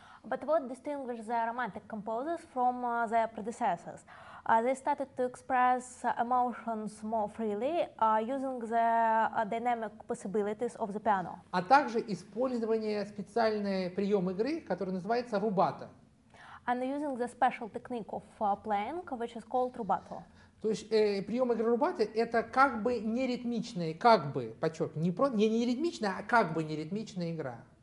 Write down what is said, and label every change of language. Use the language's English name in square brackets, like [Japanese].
[English] But what distinguishes the romantic composers from their predecessors? They started to express emotions more freely using the dynamic possibilities of the piano. [Russian] А также использование специальной приемы игры, который называется рубато. [English] And using the special technique of playing, which is called rubato. [Russian] То есть прием игры рубато — это как бы неритмичная, как бы, подчеркиваю, не ритмичная, а как бы неритмичная игра.